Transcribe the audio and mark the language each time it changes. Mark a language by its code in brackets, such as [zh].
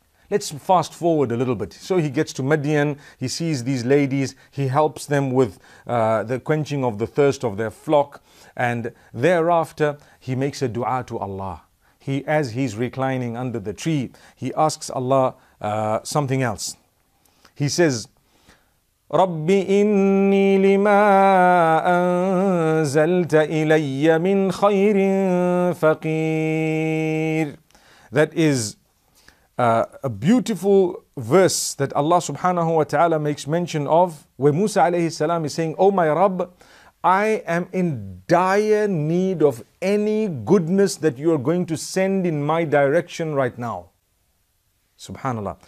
[en] Let's fast forward a little bit. So he gets to Madian, he sees these ladies, he helps them with the quenching of the thirst of their flock. And thereafter, he makes a dua to Allah. He, as he's reclining under the tree, he asks Allah something else. He says, [ar] رَبِّ إِنِّي لِمَا أَنزَلْتَ إِلَيَّ مِنْ خَيْرٍ فَقِيرٍ. [en] That is a beautiful verse that Allah subhanahu wa ta'ala makes mention of, where Musa alayhi salam is saying, oh my Rabb, I am in dire need of any goodness that you are going to send in my direction right now. Subhanallah.